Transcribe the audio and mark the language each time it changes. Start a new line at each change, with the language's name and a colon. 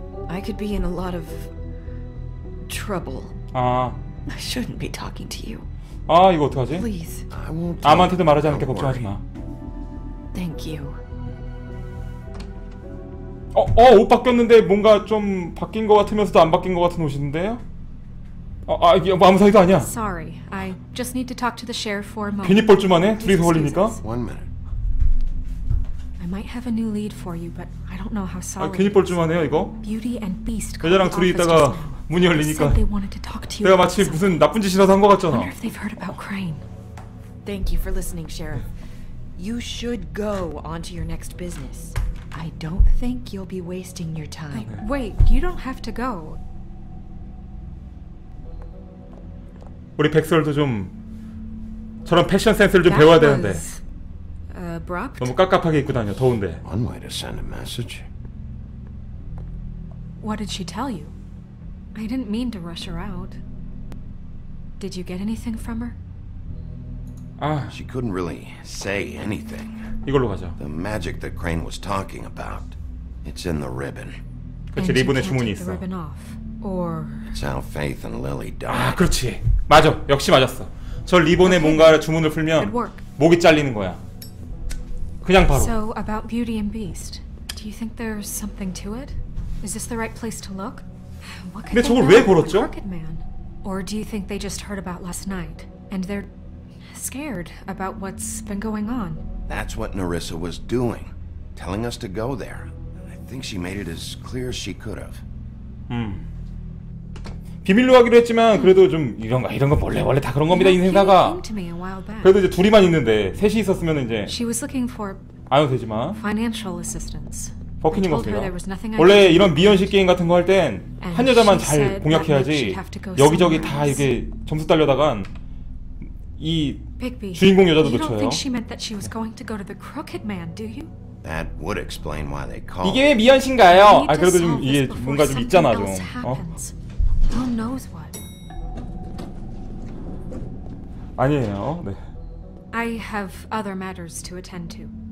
English: I could be in a lot of trouble.
Korean: 아.
English: I shouldn't be talking to you.
Korean: 아, 이거 어떡하지?
English: Please.
Korean: 아무한테도 말하지 않을게. 걱정하지 마.
English: Thank you.
Korean: 옷 바뀌었는데 뭔가 좀 바뀐 것 같으면서도 안 바뀐 것 같은 옷인데요? 이게 뭐 아무 사이도 아니야.
English: Sorry, I just need to talk to the sheriff for a moment.
Korean: 괜히 뻘쭘하네. 둘이서 걸리니까.
English: One minute. I might have a new lead for you, but I don't know how solid.
Korean: 아, 괜히 뻘쭘하네요 이거.
English: Beauty and Beast.
Korean: 여자랑 둘이 있다가 문이 열리니까.
English: They wanted to talk to you.
Korean: 내가 마치 무슨 나쁜 짓이라도 한 것 같잖아.
English: Wonder if they've heard about Crane. Thank you for listening, Sheriff. You should go on to your next business. I don't think you'll be wasting your time. Wait, you don't have to go.
Korean: 우리 백설도 좀 저런 패션 센스를 좀 배워야 되는데.
English: Abrupt?
Korean: 너무 깝깝하게 입고 다녀. 더운데.
English: One way to send a message. What did she tell you? I didn't mean to rush her out. Did you get anything from her? She couldn't really say anything.
Korean: 이걸로 가자.
English: The magic that Crane was talking about, it's in the ribbon.
Korean: 그렇지, 리본에 주문이 있어.
English: It's how Faith and Lily died.
Korean: 아, 그렇지. 맞아. 역시 맞았어. 저 리본에 뭔가 주문을 풀면 목이 잘리는 거야. 그냥 바로.
English: So about Beauty and Beast. Do you think there's something to it? Is this the right place to look? What could
Korean: 근데 저걸 왜 걸었죠?
English: Or do you think they just heard about last night and they're scared about what's been going on. That's what Narissa was doing, telling us to go there. I think she made it as clear as she could have.
Korean: 비밀로 하기로 했지만 그래도 좀 이런 거 원래 다 그런 겁니다, 인생사가. 그래도 이제 둘이만 있는데 셋이 있었으면 이제
English: She was looking for
Korean: 아유 되지만
English: financial assistance.
Korean: 버킨인 것 같아요. 원래 이런 미연식 게임 같은 거 할 땐 한 여자만 잘 공략해야지 여기저기 다 이게 점수 딸려다간 이
English: Bigby,
Korean: 주인공 여자도 놓쳐요.
English: You don't think she meant that she was going to go to the crooked man, do you? That would explain why they called.
Korean: 이게 왜 미연신가요? 아 그래도 좀 이게 뭔가 좀 있잖아 좀.
English: 어? Who knows what?
Korean: 아니에요. 네.
English: I have other matters to attend to.